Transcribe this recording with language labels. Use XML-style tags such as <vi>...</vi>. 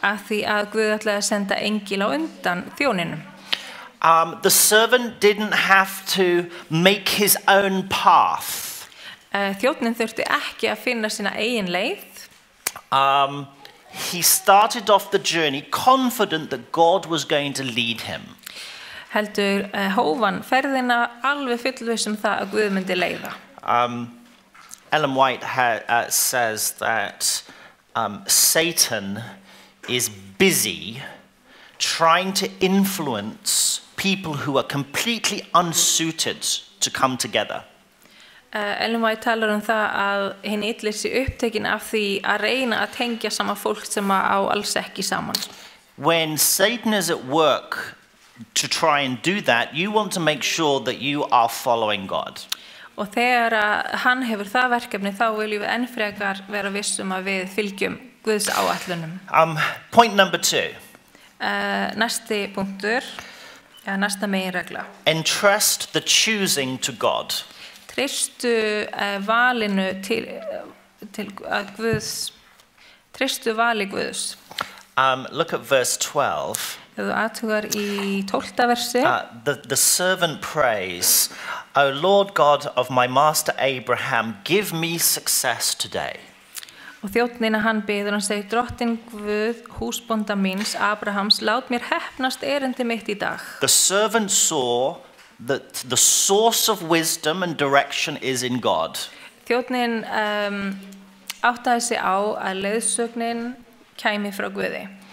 <is>Af því að Guð ætlaði að senda engil á undan þjóninum.</is> <en>The servant didn't have to make his own path.</en> <is>Þjónin þurfti ekki að finna sína eigin leið.</is> <en>He started off the journey confident that God was going to lead him.</en> <is>Heldur hófan ferðina alveg fullviss það að Guð myndi leiða.</is> <en>Ellen White says that Satan is busy trying to influence people who are completely unsuited to come together.</en> <is>Ellen White talar það að hinn illi sé upptekinn af því að reyna að tengja sama fólk sem á alls ekki saman.</is> <en>When Satan is at work to try and do that, you want to make sure that you are following God.</en> <is>Og þegar hann hefur það verkefni, þá viljum við enn frekar vera vissum að við fylgjum Guðs áætlunum.</is> <en>Point number two.</en> <is>Næsti punktur, næsta meginregla.</is> <en>Entrust the choosing to God.</en> <is>Treystu valinu til að Guðs, treystu vali Guðs.</is> <en>Look at verse 12.</en> <is>Þú athugar í 12. versi.</is> <en>The servant prays, O Lord God of my master Abraham, give me success today.</en> <is>Og þjónninn hann biður og segir Drottinn Guð húsbónda míns Abrahams, lát mér heppnast erindi mitt í dag.</is> <en>The servant saw that the source of wisdom and direction is in God.</en> <is>Þjónninn áttaði sig á að leiðsögnin kæmi frá Guði.</is>